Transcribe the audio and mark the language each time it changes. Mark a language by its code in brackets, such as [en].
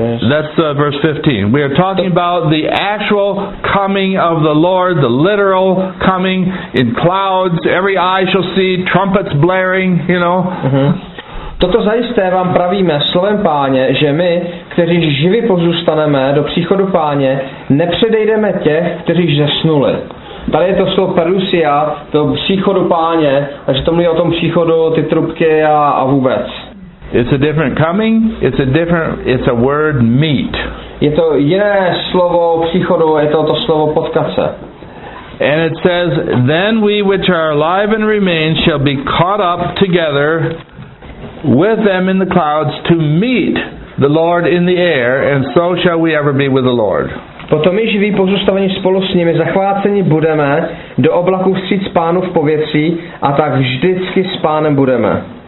[en] That's verse 15. We are talking about the actual coming of the Lord, the literal coming in clouds. Every eye shall see, trumpets blaring, you know. [cs] Toto zajisté vám pravíme slovem Páně, že my, kteří živi pozůstaneme do příchodu Páně, nepředejdeme těch, kteří zesnuli. Tady je to slovo parusia, to příchodu Páně, takže to mluví o tom příchodu, ty trubky a vůbec. [en] It's a different coming, it's a word meet. [cs] Je to jiné slovo příchodu, je to to slovo potkat se. [en] And it says, then we which are alive and remain shall be caught up together with them in the clouds to meet the Lord in the air, and so shall we ever be with the Lord. [cs] Potom my živí pozůstavení spolu s nimi zachváceni budeme do oblaku vstříc Pánu v pověcí a tak vždycky s Pánem budeme.